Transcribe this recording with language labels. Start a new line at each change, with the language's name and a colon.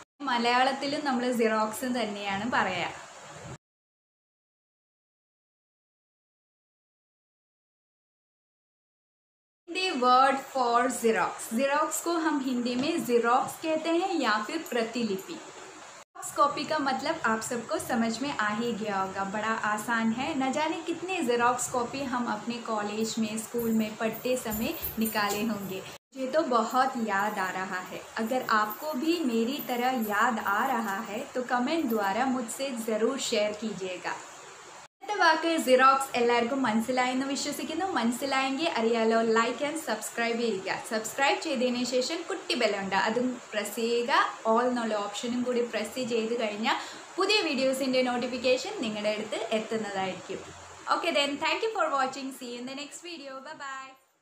Malayalam: മലയാളത്തിലും നമ്മൾ സിറോക്സ് തന്നെയാണ് പറയുക.
English: Hindi word for xerox.
Hindi: Xerox co Hum Hindi may xerox കേത്തേ hey yeah fir Pratilipi. Copy का मतलब आप सबको समझ में आ ही गया होगा. बड़ा आसान है. न जाने कितने जेरोक्स कॉपी हम अपने कॉलेज में स्कूल में पढ़ते समय निकाले होंगे. मुझे तो बहुत याद आ रहा है. अगर आपको भी मेरी तरह याद आ रहा है तो कमेंट द्वारा मुझसे ज़रूर शेयर कीजिएगा.
Malayalam: വാക്ക് സിറോക്സ് എല്ലാവർക്കും മനസ്സിലായി എന്ന് വിശ്വസിക്കുന്നു. മനസ്സിലായെങ്കിൽ അറിയാലോ ലൈക്ക് ആൻഡ് സബ്സ്ക്രൈബ് ചെയ്യുക. സബ്സ്ക്രൈബ് ചെയ്തതിന് ശേഷം കുട്ടി ബെല്ലുണ്ട്, അതും പ്രസ് ചെയ്യുക. ഓൾ എന്നുള്ള ഓപ്ഷനും കൂടി പ്രസ് ചെയ്ത് കഴിഞ്ഞാൽ പുതിയ വീഡിയോസിൻ്റെ നോട്ടിഫിക്കേഷൻ നിങ്ങളുടെ അടുത്ത് എത്തുന്നതായിരിക്കും.
English: Okay then, thank you for watching. See you in the next video. Bye bye.